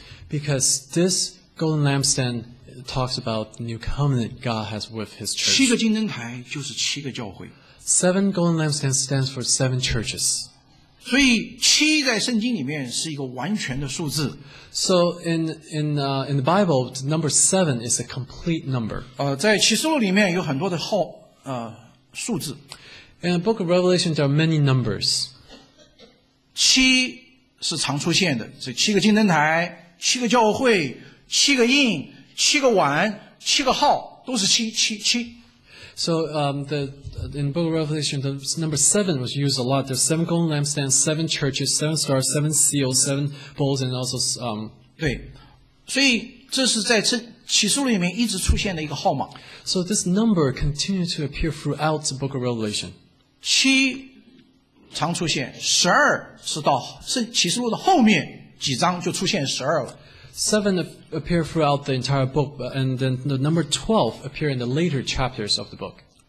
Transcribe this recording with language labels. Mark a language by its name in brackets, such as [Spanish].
[English] Because this golden lampstand. Talks about the new covenant God has with His church. [Chinese] 七个金灯台就是七个教会。 [English] Seven golden lampstands stands for seven churches. [Chinese] 所以七在圣经里面是一个完全的数字。 [English] So in the Bible, the number seven is a complete number. [Chinese] 在启示录里面有很多的号数字。 [English] In the Book of Revelation, there are many numbers. [Chinese] 七是常出现的，这七个金灯台、七个教会、七个印。七个碗，七个号，都是七七七。 [English] So, in the Book of Revelation, the number seven was used a lot. There's seven golden lampstands, seven churches, seven stars, seven seals, seven bowls, and also [Chinese] 对，所以这是在启示录里面一直出现的一个号码。 [English] So this number continued to appear throughout the Book of Revelation. [Chinese] 七常出现，十二是到启示录的后面几章就出现十二了。 [English] Seven appear throughout the entire book, and then the number 12 appear in the later chapters of the book.